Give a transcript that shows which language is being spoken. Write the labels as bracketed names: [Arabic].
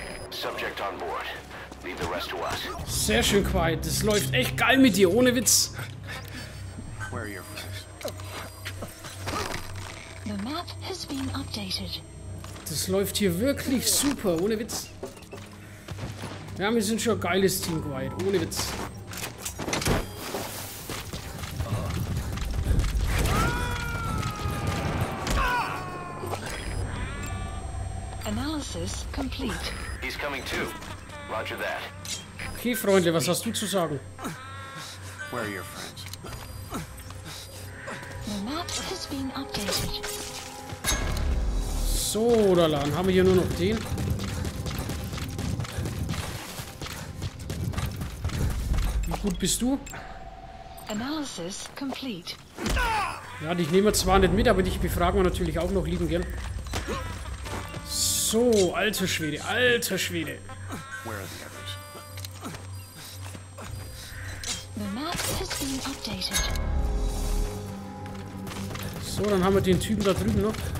[English] Subject on board. Leave the rest to us. [German] Sehr schön, Quiet. Das läuft echt geil mit dir, ohne Witz. [English] Where are your friends? The map has been updated. [German] Das läuft hier wirklich super, ohne Witz. Ja, wir sind schon ein geiles Team, Quiet, ohne Witz. [English] Analysis complete. He's coming too. Roger that. [German] Okay, Freunde, was hast du zu sagen? [English] Where are your friends? The map has been updated. [German] So, oder dann haben wir hier nur noch den. Wie gut bist du? [English] Analysis complete. [German] Ja, dich nehmen wir zwar nicht mit, aber dich befragen wir natürlich auch noch lieben gern. So, alter Schwede, alter Schwede. [English] Where are the others? The map has been updated. [German] So, dann haben wir den Typen da drüben noch.